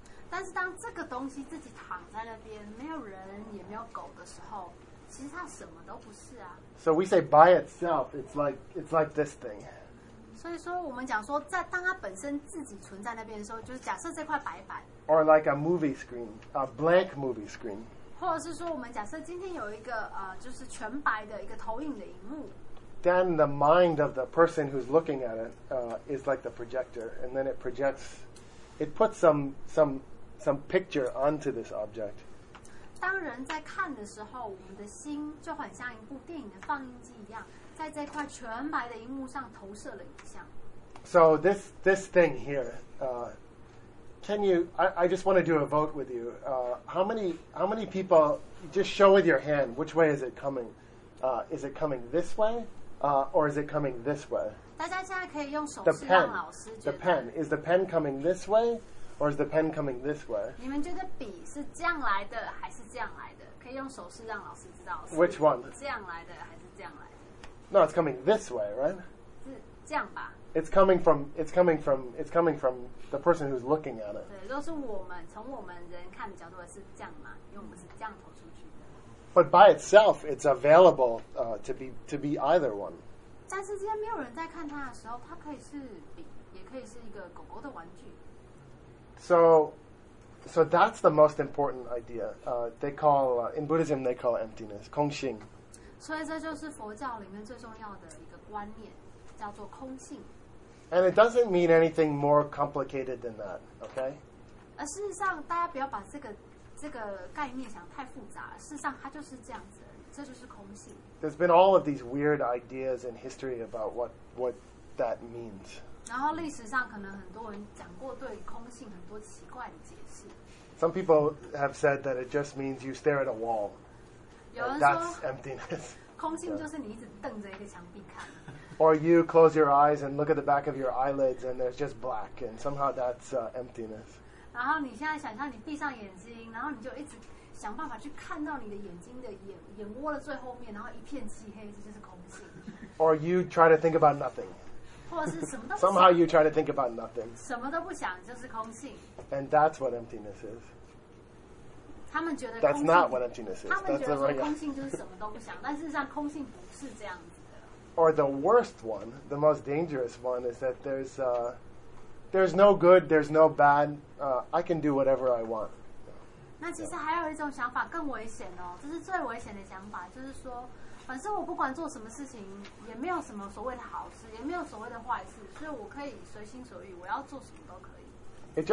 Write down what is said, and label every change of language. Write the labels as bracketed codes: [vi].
[zh] 但是当这个东西自己躺在那边，没有人也没有狗的时候，其实它什么都不是啊。 [en] So we say by itself, it's like this thing. [zh] 所以说，我们讲说，在当它本身自己存在那边的时候，就是假设这块白板 [en] ，or like a movie screen, a blank movie screen， [zh] 或者是说，我们假设今天有一个就是全白的一个投影的荧幕 [en] ，then the mind of the person who's looking at it is like the projector, and then it projects, it puts some picture onto this object。 [zh] 当人在看的时候，我们的心就很像一部电影的放映机一样。在这块全白的荧幕上投射了影像。 [en] So this thing here, can you? I just want to do a vote with you. How many people? Just show with your hand. Which way is it coming? Is it coming this way, or is it coming this way? [zh] 大家现在可以用手势让老师觉得。 [en] The pen. Is the pen coming this way, or is the pen coming this way? [zh] 你们觉得笔是这样来的还是这样来的？可以用手势让老师知道。 [en] Which one? [zh] 这样来的还是这样来的？ [en] No, it's coming this way, right? [zh] 是这样吧。 [en] It's coming from the person who's looking at it. [zh] 对，都是我们从我们人看的角度是这样嘛，因为我们是这样投出去的。 [en] But by itself, it's available to be either one. [zh] 但是今天没有人在看它的时候，它可以是笔，也可以是一个狗狗的玩具。 [en] So that's the most important idea. They call in Buddhism they call emptiness, 空性。 [zh] 所以这就是佛教里面最重要的一个观念，叫做空性。 [en] And it doesn't mean anything more complicated than that, okay? [zh] 而事实上，大家不要把这个概念想太复杂。事实上，它就是这样子，这就是空性。 [en] There's been all of these weird ideas in history about what that means. [zh] 然后历史上可能很多人讲过对空性很多奇怪的解释。 [en] Some people have said that it just means you stare at a wall. That's emptiness. [zh] 空性就是你一直瞪着一个墙壁看。 [en] Or you close your eyes and look at the back of your eyelids and there's just black and somehow that's emptiness. [zh] 然后你现在想象你闭上眼睛，然后你就一直想办法去看到你的眼睛的眼窝的最后面，然后一片漆黑，这就是空性。 [en] Or you try to think about nothing. [zh] 或者是什么都不想。 [en] Somehow you try to think about nothing. [zh] 什么都不想就是空性。 [en] And that's what emptiness is. [zh] 他们觉得空性 [en] That's not what emptiness is. [zh] 他们觉得空性就是什么都不想，但事实上空性不是这样子的。 [en] Or the worst one, the most dangerous one, is that there's no good, there's no bad. I can do whatever I want. [zh] 那其实还有一种想法更危险哦，这是最危险的想法，就是说，反正我不管做什么事情，也没有什么所谓的好事，也没有所谓的坏事，所以我可以随心所欲，我要做什么都可以。